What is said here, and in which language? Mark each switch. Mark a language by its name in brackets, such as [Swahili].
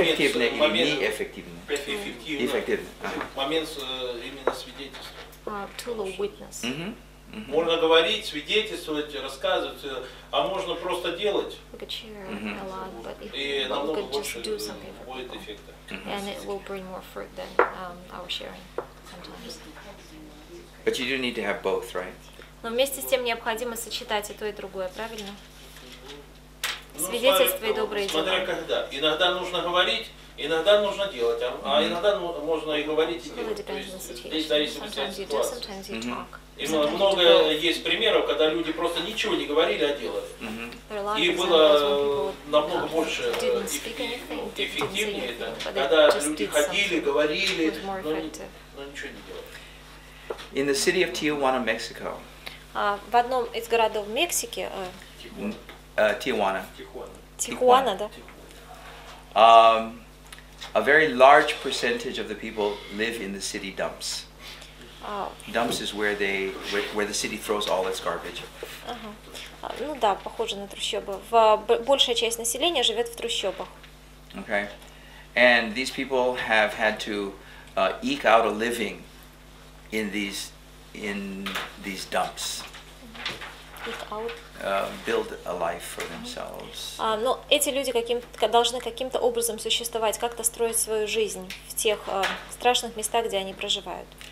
[Russian] Эффективное или неэффективное? Эффективное. Момент именно свидетельства. [English] Tool of witness. Mm-hmm. Mm-hmm. [Russian] Можно говорить, свидетельствовать, рассказывать, а можно просто делать. [English] We could share mm-hmm. a lot, but if we could just do something for people, mm-hmm. and it will bring more fruit than our sharing sometimes. But you do need to have both, right? [Russian] Но вместе с тем необходимо сочетать и то, и другое, правильно? Свидетельство и добрые дела. Смотря когда. Иногда нужно говорить, иногда нужно делать, а иногда можно и говорить, и делать. [English] Well, it depends on the situation. Sometimes you do, sometimes you mm-hmm. talk. [Russian] И много есть примеров, когда люди просто ничего не говорили, а делали. Mm-hmm. И было намного больше эффективнее это, когда люди ходили, говорили, но ничего не делали. [English] In the city of Tijuana, Mexico. [Russian] В одном из городов Мексики. [English] Tijuana. [Russian] Tijuana, да. [English] A very large percentage of the people live in the city dumps. Dumps is where they, where the city throws all its garbage. [Russian] Ну да, похоже на трущобы. Большая часть населения живет в трущобах. [English] Okay, and these people have had to eke out a living in these dumps. Eke out. Build a life for themselves. [Russian] Ну, эти люди должны каким-то образом существовать, как-то строить свою жизнь в тех страшных местах, где они проживают.